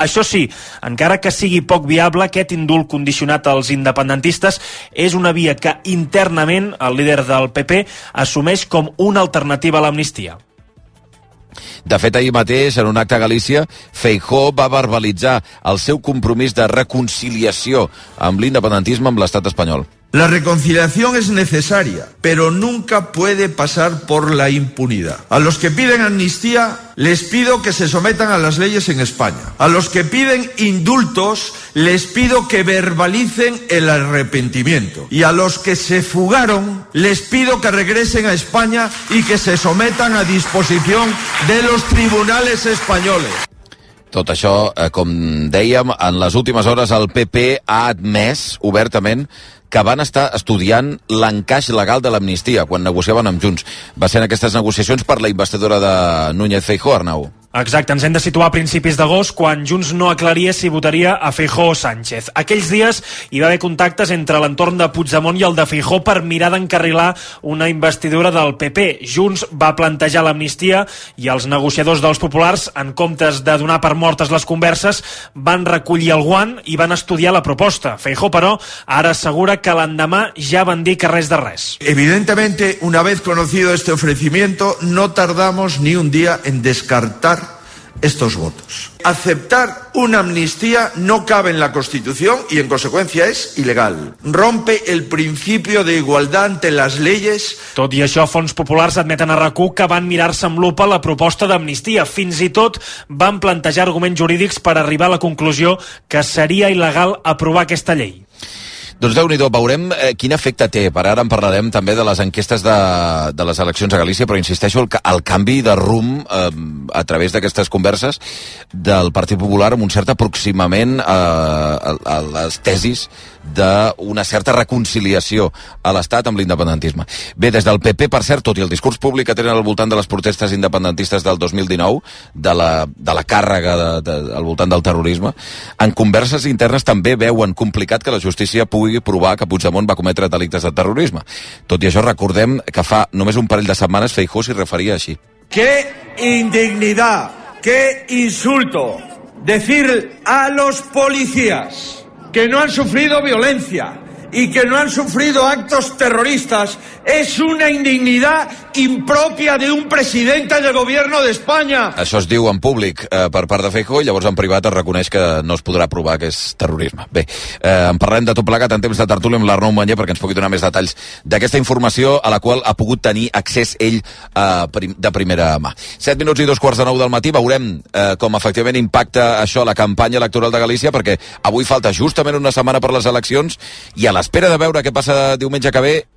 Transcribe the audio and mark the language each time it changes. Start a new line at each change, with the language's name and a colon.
Catalan: Això sí, encara que sigui poc viable, aquest indult condicionat als independentistes és una via que internament el líder del PP assumeix com una alternativa a l'amnistia. De fet, ahir mateix, en un acte a Galícia, Feijóo va verbalitzar el seu compromís de reconciliació amb l'independentisme amb l'estat espanyol.
Spanish: La reconciliación es necesaria, pero nunca puede pasar por la impunidad. A los que piden amnistía, les pido que se sometan a las leyes en España. A los que piden indultos, les pido que verbalicen el arrepentimiento. Y a los que se fugaron, les pido que regresen a España y que se sometan a disposición de los tribunales españoles.
Catalan: Tot això, com dèiem, en les últimes hores el PP ha admès obertament que van estar estudiant l'encaix legal de l'amnistia quan negociaven amb Junts. Va ser en aquestes negociacions per la investidura de Núñez Feijóo, Arnau. Exacte, ens hem de situar a principis d'agost quan Junts no aclaria si votaria a Feijóo o Sánchez. Aquells dies hi va haver contactes entre l'entorn de Puigdemont i el de Feijóo per mirar d'encarrilar una investidura del PP. Junts va plantejar l'amnistia i els negociadors dels populars, en comptes de donar per mortes les converses, van recollir el guant i van estudiar la proposta. Feijóo, però, ara assegura que l'endemà ja van dir que res de res.
Spanish: Evidentemente, una vez conocido este ofrecimiento, no tardamos ni un día en descartar estos votos. Aceptar una amnistía no cabe en la Constitución y en consecuencia es ilegal. Rompe el principio de igualdad ante las leyes.
Catalan: Tot i això, fons populars admeten a RAC1 que van mirar-se amb lupa la proposta d'amnistia. Fins i tot van plantejar arguments jurídics per arribar a la conclusió que seria il·legal aprovar aquesta llei. Doncs déu-n'hi-do, veurem quin efecte té. Per ara en parlarem també de les enquestes de les eleccions a Galícia, però insisteixo, el canvi de rumb a través d'aquestes converses del Partit Popular amb un cert aproximament a les tesis d'una certa reconciliació a l'Estat amb l'independentisme. Bé, des del PP, per cert, tot i el discurs públic que tenen al voltant de les protestes independentistes del 2019, de la càrrega al voltant del terrorisme, en converses internes també veuen complicat que la justícia pugui provar que Puigdemont va cometre delictes de terrorisme. Tot i això, recordem que fa només un parell de setmanes Feijóo s'hi referia així.
Spanish: ¡Qué indignidad! ¡Qué insulto! Decir a los policías que no han sufrido violencia y que no han sufrido actos terroristas es una indignidad impropia de un presidente del gobierno de España.
Catalan: Això es diu en públic per part de Feijóo, i llavors en privat es reconeix que no es podrà provar que és terrorisme. Bé, en parlem de tot plegat en temps de tertúlia amb l'Arnau Mañé perquè ens pugui donar més detalls d'aquesta informació a la qual ha pogut tenir accés ell de primera mà. 7 minuts i 2 quarts de 9 del matí, veurem com efectivament impacta això a la campanya electoral de Galícia, perquè avui falta justament una setmana per les eleccions i a l'espera de veure què passa diumenge que ve.